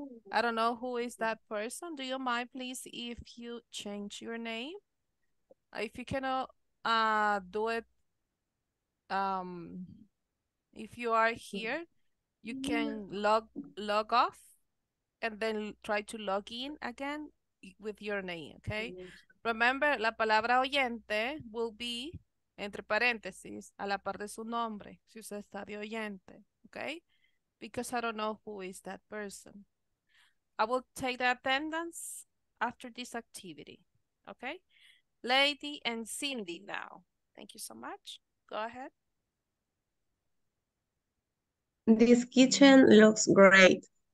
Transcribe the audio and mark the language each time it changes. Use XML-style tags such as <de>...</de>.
<en>I don't know who is that person. Do you mind, please, if you change your name? If you cannot do it, if you are here, you can log off and then try to log in again with your name, okay? Remember,</en> <es>la palabra oyente</es> <en>will be,</en> <es>entre paréntesis, a la par de su nombre, si usted está de oyente, okay?</es> <en>Because I don't know who is that person. I will take the attendance after this activity, okay? Lady and Cindy now. Thank you so much. Go ahead. This kitchen looks great.</en>